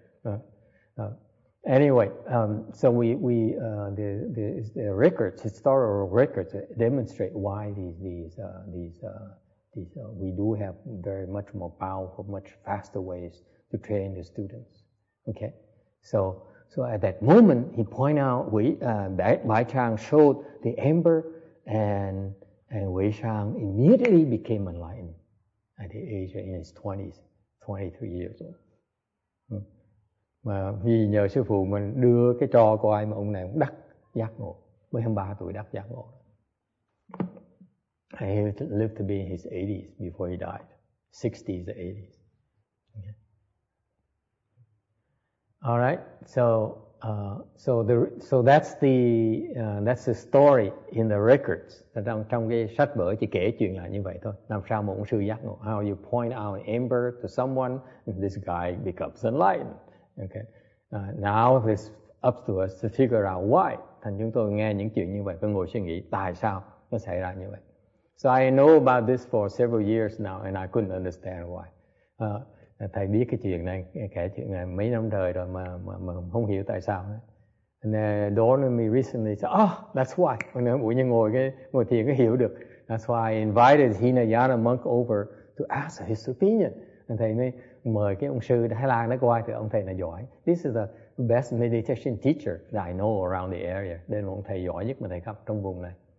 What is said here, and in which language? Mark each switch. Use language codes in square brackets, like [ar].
[en] So the records, historical records demonstrate why these we do have very much more powerful, much faster ways to train the students. Okay. So at that moment he pointed out Bai Chang showed the ember and Wei Shang immediately became enlightened at the age of in his 20s, 23 years old. [vi] Mà vì nhờ sư phụ mình đưa cái trò của ai mà ông này cũng đắc giác ngộ, mới 23 tuổi đắc giác ngộ. [en] And he lived to be in his 80s before he died, 60s to 80s. Okay. All right, so that's the story in the records. [vi] Trong cái sách vở chỉ kể chuyện lại như vậy thôi. Làm sao mà ông sư giác ngộ? [en] How you point out an ember to someone, this guy becomes enlightened. Okay. Now it's up to us to figure out why. [vi] Thành chúng tôi nghe những chuyện như vậy, tôi ngồi suy nghĩ tại sao nó xảy ra như vậy. [en] So I know about this for several years now, and I couldn't understand why. [vi] Thầy biết cái chuyện này, kể chuyện này mấy năm trời rồi mà không hiểu tại sao. [en] And then dawned on me recently, said, "Oh, that's why." [vi] Ngồi thiền cái hiểu được. [en] That's why I invited Hinayana monk over to ask his opinion. [vi] And thầy mới mời cái ông sư Thái Lan nó qua, thì ông thầy là giỏi. [en] This is the best meditation teacher that I know around the area. [vi] Đây là ông thầy giỏi nhất mà thầy gặp trong vùng này.